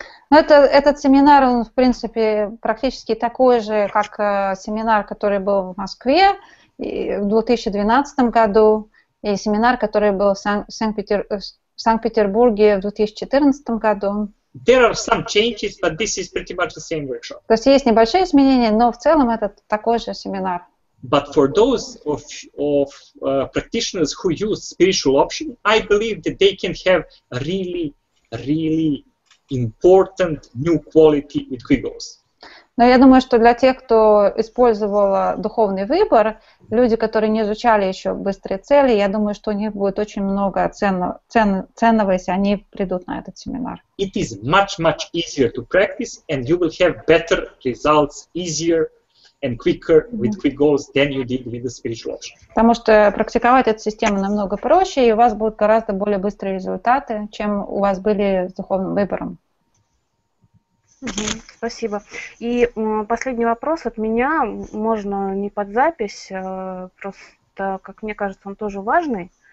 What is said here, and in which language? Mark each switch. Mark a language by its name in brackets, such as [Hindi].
[Russian] Ну, этот семинар, он, в принципе, практически такой же, как семинар, который был в Москве в 2012 году, и семинар, который был в Санкт-Петербурге в 2014 году. [English] There are some changes, but this is pretty much the same workshop. [Russian] То есть есть небольшие изменения, но в целом это такой же семинар. [English] But for those of practitioners who use spiritual option, I believe that they can have really, really important new quality with Kegels. [Russian] Но я думаю, что для тех, кто использовал духовный выбор, люди, которые не изучали еще быстрые цели, я думаю, что у них будет очень много ценного, если они придут на этот семинар. [English] It is much, much easier to practice, and you will have better results easier and quicker with quick goals than you did with the spiritual option. [Russian] Потому что практиковать эту систему намного проще, и у вас будут гораздо более быстрые результаты, чем у вас были с духовным выбором. Uh-huh. Спасибо. И последний вопрос от меня, можно не под запись, просто, как мне кажется, он тоже важный.